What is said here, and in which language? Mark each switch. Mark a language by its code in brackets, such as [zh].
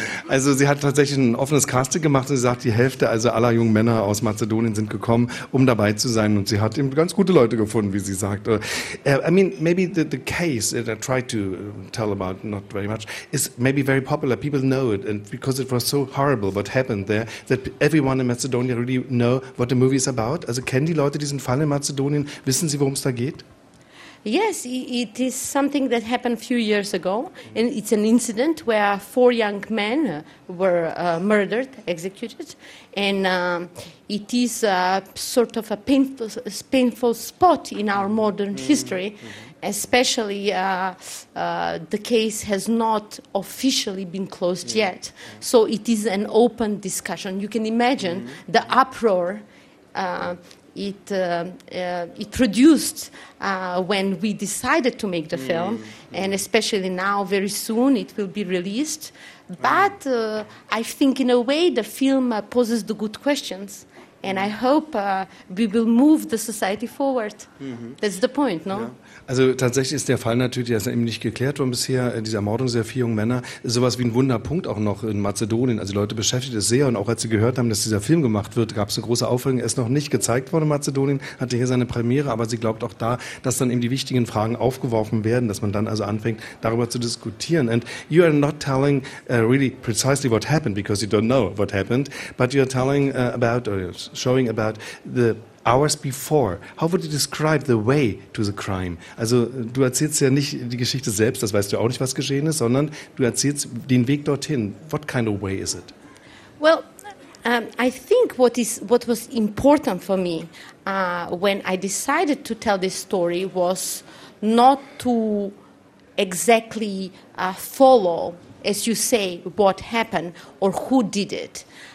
[de] Also sie hat tatsächlich ein offenes Casting gemacht und sie sagt, die Hälfte also aller jungen Männer aus Mazedonien sind gekommen, um dabei zu sein. Und sie hat eben ganz gute Leute gefunden, wie sie sagt. [en] I mean, maybe the case that I tried to tell about, not very much, is maybe very popular. People know it, and because it was so horrible what happened there, that everyone in Macedonia really know what the movie is about. [de] Also kennen die Leute diesen Fall in Mazedonien? Wissen sie, worum es da geht? [en] Yes, it is something that happened a few years ago, and it's an incident where 4 young men were murdered, executed, and it is sort of a painful spot in our modern history, especially the case has not officially been closed yet, so it is an open discussion. You can imagine the uproar it produced when we decided to make the film, and especially now, very soon, it will be released. But I think, in a way, the film poses the good questions, and I hope we will move the society forward. That's the point, no? Yeah. [de] Also tatsächlich ist der Fall natürlich ja eben nicht geklärt worden bisher, diese Ermordung dieser 4 jungen Männer, sowas wie ein Wunderpunkt auch noch in Mazedonien. Also die Leute beschäftigt es sehr und auch als sie gehört haben, dass dieser Film gemacht wird, gab es eine große Aufregung. Er ist noch nicht gezeigt worden in Mazedonien, hatte hier seine Premiere, aber sie glaubt auch da, dass dann eben die wichtigen Fragen aufgeworfen werden, dass man dann also anfängt, darüber zu diskutieren. [en] And you are not telling really precisely what happened, because you don't know what happened, but you are telling about, or showing about the hours before. How would you describe the way to the crime? [de] Also du erzählst ja nicht die Geschichte selbst, das weißt du auch nicht, was geschehen ist, sondern du erzählst den Weg dorthin. [en] What kind of way is it? Well, I think what was important for me when I decided to tell this story was not to exactly follow, as you say, what happened or who did it.